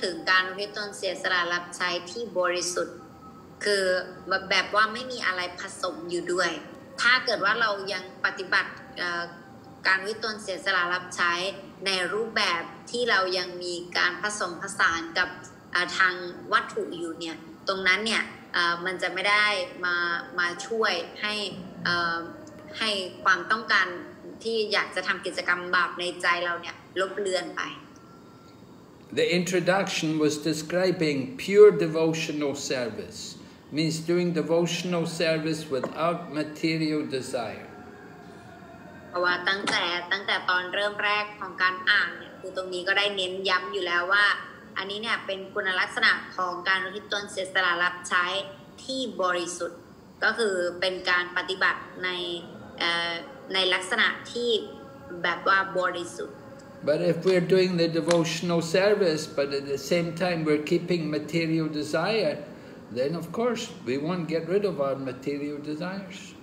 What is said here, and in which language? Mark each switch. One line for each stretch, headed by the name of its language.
Thai: การวิตนเสียสละรับใช้ที่บริสุทธิ์คือแบบว่าไม่มีอะไรผสมอยู่ด้วยถ้าเกิดว่าเรายังปฏิบัติการวิตนเสียสละรับใช้ในรูปแบบที่เรายังมีการผสมผสานกับทางวัตถุอยู่เนี่ยตรงนั้นเนี่ยมันจะไม่ได้มาช่วยให้ ให้ความต้องการที่อยากจะทำกิจกรรมบาปในใจเราเนี่ยลบเลือนไป
English: The introduction was describing pure devotional service means doing devotional service without material desire
Thai: เพราะว่าตั้งแต่ตอนเริ่มแรกของการอ่านเนี่ยคือตรงนี้ก็ได้เน้นย้ำอยู่แล้วว่าอันนี้เนี่ยเป็นคุณลักษณะของการอุทิศตนเสียสละรับใช้ที่บริสุทธิ์ก็คือเป็นการปฏิบัติในลักษณะที่แบบว่าบริสุทธิ์
English: But if we're doing the devotional service but at the same time we're keeping material desire then of course we won't get rid of our material desires